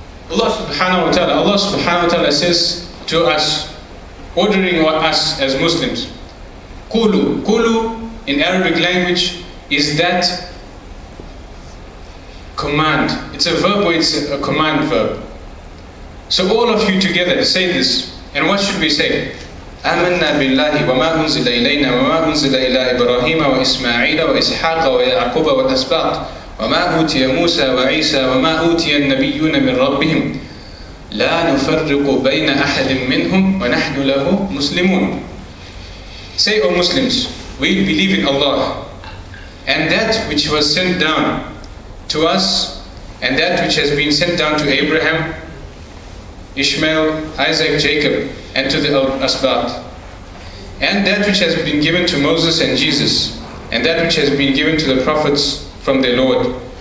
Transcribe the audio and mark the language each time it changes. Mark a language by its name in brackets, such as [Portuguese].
[English] Allah subhanahu wa ta'ala says to us, ordering us as Muslims, Kulu. Kulu in Arabic language is that command. It's a verb, or it's a command verb. So all of you together say this, and what should we say? [Arabic] آمنا بالله وما أنزل إلينا وما أنزل إلى إبراهيم وإسماعيل وإسحاق ويعقوب والأسباط وما أوتي موسى وعيسى وما أوتي النبيون من ربهم لا نفرق بين أحد منهم ونحن له مسلمون. [English] Say, O Muslims, we believe in Allah and that which was sent down to us and that which has been sent down to Abraham, Ishmael, Isaac, Jacob, and to the Asbat, and that which has been given to Moses and Jesus, and that which has been given to the prophets from their Lord.